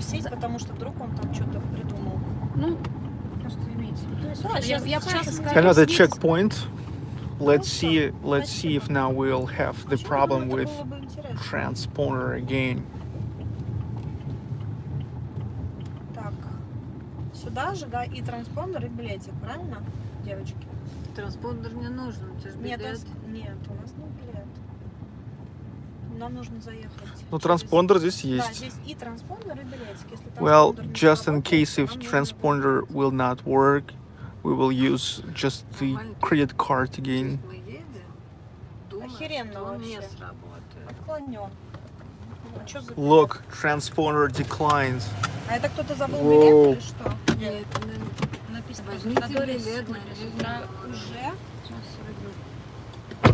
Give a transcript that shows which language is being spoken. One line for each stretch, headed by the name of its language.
Russian: Потому что вдруг он там что-то придумал. Ну, просто имейте в виду. Ну, я сейчас скажу.
English: Another checkpoint. Let's see if now we'll have the problem with transponder again.
Russian: Так, сюда же, да, и транспондер, и билетик, правильно, девочки? Транспондер не нужен, у тебя же билет. Нет, у нас нет билет. Нам нужно заехать. Ну, транспондер здесь есть. Да, здесь и транспондер, и билетик.
English: Well, just in case if transponder will not work, we will use just the credit card again.
Russian: Охеренно вообще. Отклонен.
English: Look, transponder declined.
Russian: А это кто-то забыл билет или что? Нет, написано. Возьмите билет. Уже? Сейчас я выберу.